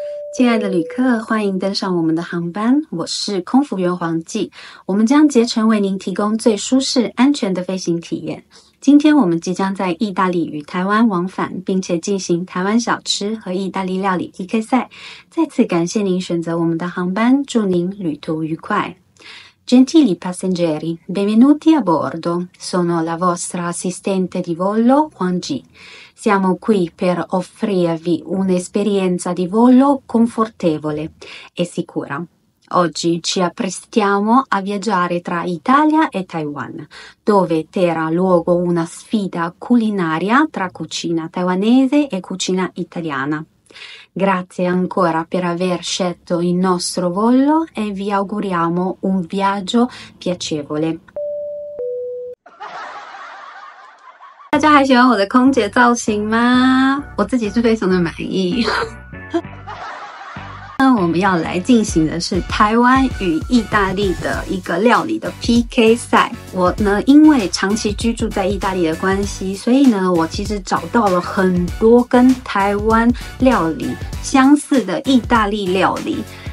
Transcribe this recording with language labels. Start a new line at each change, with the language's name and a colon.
Chinese: 亲爱的旅客，欢迎登上我们的航班。我是空服员黄记，我们将竭诚为您提供最舒适、安全的飞行体验。今天我们即将在意大利与台湾往返，并且进行台湾小吃和意大利料理 PK 赛。再次感谢您选择我们的航班，祝您旅途愉快。
Italian: Gentili passeggeri, benvenuti a bordo. Sono la vostra assistente di volo, Huang Ji. Siamo qui per offrirvi un'esperienza di volo confortevole e sicura. Oggi ci apprestiamo a viaggiare tra Italia e Taiwan, dove terrà luogo una sfida culinaria tra cucina taiwanese e cucina italiana. Grazie ancora per aver scelto il nostro volo e vi auguriamo un viaggio piacevole.
Chinese: 大家还喜欢我的空姐造型吗？我自己是非常的满意。那我们要来进行的是台湾与意大利的一个料理的 PK 赛。我呢，因为长期居住在意大利的关系，所以呢，我其实找到了很多跟台湾料理相似的意大利料理。